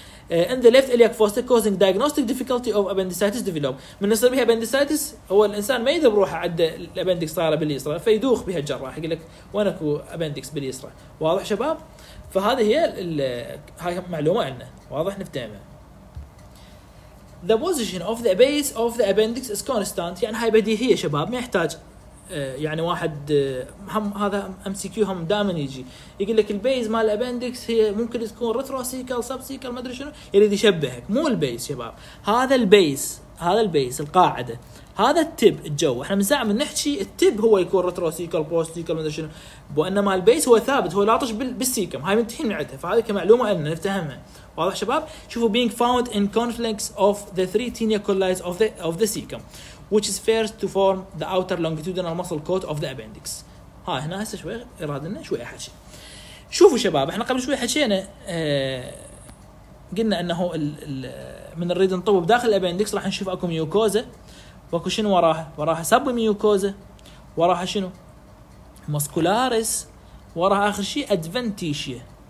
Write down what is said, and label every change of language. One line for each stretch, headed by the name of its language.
English: in the left iliac fossa causing diagnostic difficulty of appendicitis develop.
Arabic: من يصير بها appendicitis هو الانسان ما يدري بروحه عند الابندكس صايره باليسرى، فيدوخ بها الجراح يقول لك وين اكو appendix باليسرى. واضح شباب؟ فهذا هي هاي معلومة عنا، واضح نفتهمها.
English: The position of the base of the appendix is constant.
Arabic: يعني هاي بديهية شباب، ما يحتاج يعني واحد هم هذا MCQ هم دائما يجي يقول لك البيز مال الابندكس هي ممكن تكون رتروسيكال سبسيكال ما أدري شنو، يريد يشبهك. مو البيز شباب، هذا البيز القاعدة، هذا التب الجو. احنا من ساعة من نحكي التب هو يكون رتروسيكال بوستيكال ما أدري شنو، وانما البيز هو ثابت، هو لاطش بالسيكم، هاي منتهين معناتها. فهذا كمعلومة لنا نفتهمها. واضح شباب؟ شوفوا
English: being found in conflicts of the three tenia colli of the cecum which is first to form the outer longitudinal muscle coat of the appendix.
Arabic: ها هنا هسه شوي إرادنا شوي حكي. شوفوا شباب، احنا قبل شوي حكينا قلنا انه من نريد نطوب داخل الابندكس راح نشوف اكو ميوكوزا، واكو شنو وراها؟ وراها سب ميوكوزا، وراها شنو؟ موسكولاريس، وراها اخر شيء ادفنتيشيا.